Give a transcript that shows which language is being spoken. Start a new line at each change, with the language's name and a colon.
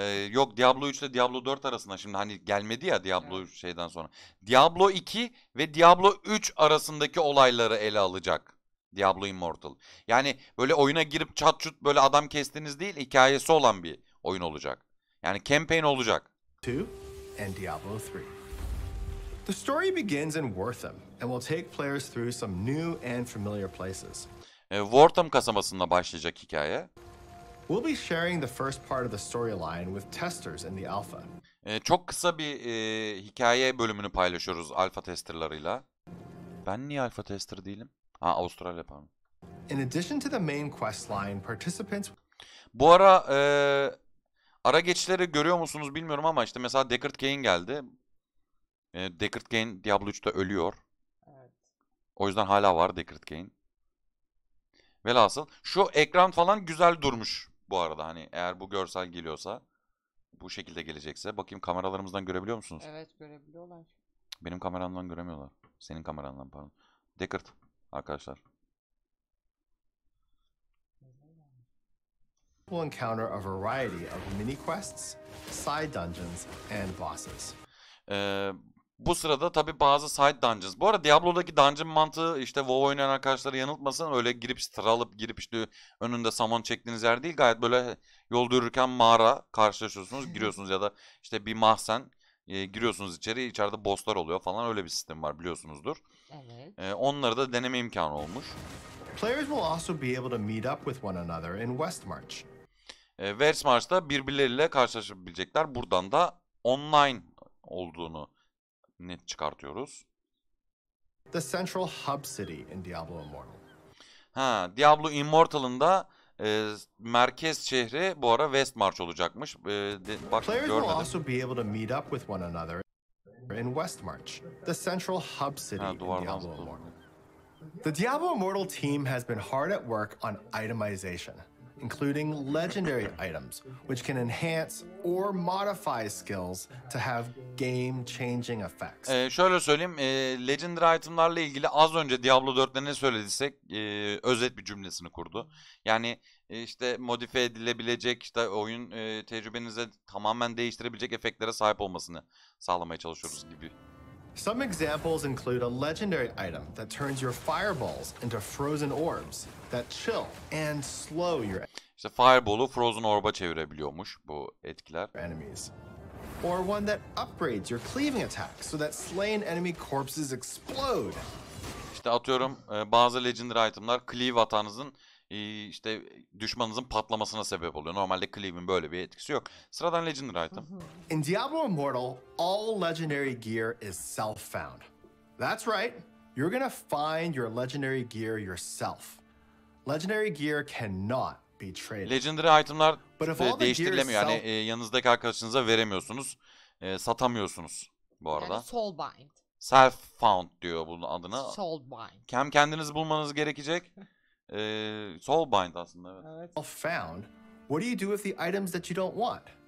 Turkish: Yok, Diablo 3 ile Diablo 4 arasında, şimdi hani gelmedi ya Diablo yani. Şeyden sonra. Diablo 2 ve Diablo 3 arasındaki olayları ele alacak Diablo Immortal. Yani böyle oyuna girip çat çut böyle adam kestiniz değil, hikayesi olan bir oyun olacak. Yani campaign olacak.
English: 2 and Diablo 3. The story begins in Wortham and will take players through some new and familiar places.
Turkish: Wortham kasabasında başlayacak hikaye.
English: We'll be sharing the first part of the storyline with testers in the alpha.
Turkish: Çok kısa bir hikaye bölümünü paylaşıyoruz alfa testerlarıyla. Ben niye alfa tester değilim? Ha, Avustralya, pardon.
English: In addition to the main quest line, participants.
Turkish: Bu ara ara geçişleri görüyor musunuz bilmiyorum ama işte mesela Deckard Cain geldi. Deckard Cain Diablo 3'te ölüyor. Evet. O yüzden hala var Deckard Cain. Velhasıl şu ekran falan güzel durmuş bu arada, hani eğer bu görsel geliyorsa, bu şekilde gelecekse. Bakayım, kameralarımızdan görebiliyor musunuz? Evet, görebiliyorlar. Benim kameramdan göremiyorlar. Senin kameramdan, pardon. Deckard arkadaşlar.
English: We'll encounter a variety of mini quests, side dungeons and bosses.
Turkish: Bu sırada tabii bazı side dungeons. Bu arada Diablo'daki dungeon mantığı, işte WoW oynayan arkadaşları yanıltmasın. Öyle girip sıralıp girip işte önünde summon çektiğiniz yer değil. Gayet böyle yol yürürken mağara karşılaşıyorsunuz, giriyorsunuz ya da işte bir mahzen, giriyorsunuz içeri. İçeride bosslar oluyor falan, öyle bir sistem var biliyorsunuzdur. Evet. Onları da deneme imkanı olmuş.
English: Players will also be able to meet up with one another in Westmarch.
Turkish: Westmarch'ta birbirleriyle karşılaşabilecekler. Buradan da online olduğunu net çıkartıyoruz.
English: The central hub city in Diablo Immortal.
Turkish: Ha, Diablo Immortal'ın da merkez şehri bu ara Westmarch olacakmış. Bak,
English: players
Turkish: görmedim.
English: Will also be able to meet up with one another in Westmarch, the central hub city in Diablo Immortal. The Diablo Immortal team has been hard at work on itemization, including legendary items which can enhance or modify skills to have game changing effects.
Turkish: Şöyle söyleyeyim, legendary itemlarla ilgili az önce Diablo 4'te ne söylediysek özet bir cümlesini kurdu. Yani işte modifiye edilebilecek, işte oyun tecrübenizi tamamen değiştirebilecek efektlere sahip olmasını sağlamaya çalışıyoruz gibi.
English: Some examples include a legendary item that turns your fireballs into frozen orbs that chill and slow your.
Turkish: İşte fireball'u frozen orb'a çevirebiliyormuş bu etkiler.
English: Enemies. Or one that upgrades your cleaving attack so that slain enemy corpses explode.
Turkish: İşte atıyorum, bazı legendary itemlar cleave atanızın işte düşmanınızın patlamasına sebep oluyor. Normalde cleave'in böyle bir etkisi yok. Sıradan legendary item.
English: In Diablo Immortal, all legendary gear is self-found. That's right. You're gonna find your legendary gear yourself. Legendary gear cannot be traded.
Turkish: Legendary itemlar değiştirilemiyor. Yani yanınızdaki arkadaşınıza veremiyorsunuz. Satamıyorsunuz bu arada. Yani soulbind. Self-found diyor bunun adına. Soulbind. Hem kendinizi bulmanız gerekecek. Soulbind aslında, evet.
English: Found. What do you do with the items that you don't want?